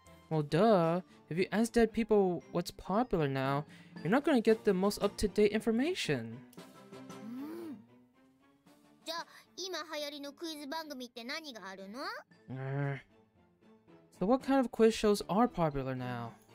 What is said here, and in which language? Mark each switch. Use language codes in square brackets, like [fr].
[en] Well, duh. If you ask dead people what's popular now, you're not going to get the most up-to-date information. [ja] じゃあ、今流行りのクイズ番組って何があるの? [en] So what kind of quiz shows are popular now?